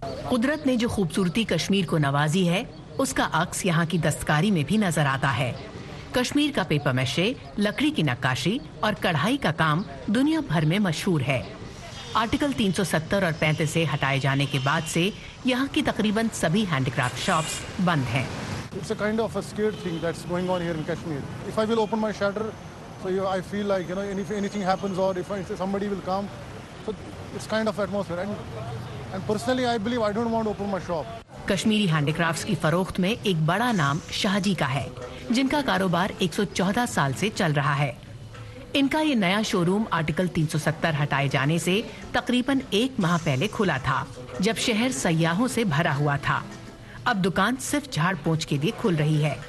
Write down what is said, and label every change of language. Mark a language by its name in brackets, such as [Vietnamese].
[Urdu] قدرت نے جو خوبصورتی کشمیر کو نوازی ہے اس کا عکس یہاں کی دستکاری میں بھی نظر آتا ہے۔ کشمیر کا پیپر میشے، لکڑی کی نقاشی اور کڑھائی کا کام دنیا بھر میں مشہور ہے۔ آرٹیکل 370 اور 35 سے ہٹائے جانے کے بعد سے یہاں کی تقریباً سبھی ہینڈی کرافٹ شاپس بند ہیں۔ [English] It's a kind of a scared thing that's going on here in Kashmir. If I will open my shutter, so I feel like, you know, if anything happens or if somebody will come, so it's kind of atmosphere. And personally, I believe I don't want to open my shop. [Urdu] Kashmiri handy crafts کی فروخت میں ایک بڑا نام شاہ جی کا ہے، جن کا کاروبار 114 سال سے چل رہا ہے۔ ان کا یہ نیا شو روم آرٹیکل 370 ہٹائے جانے سے تقریباً ایک ماہ پہلے کھلا تھا، جب شہر سیاحوں سے بھرا ہوا تھا۔ اب دکان صرف جھاڑ پونچھ کے لیے کھل رہی ہے۔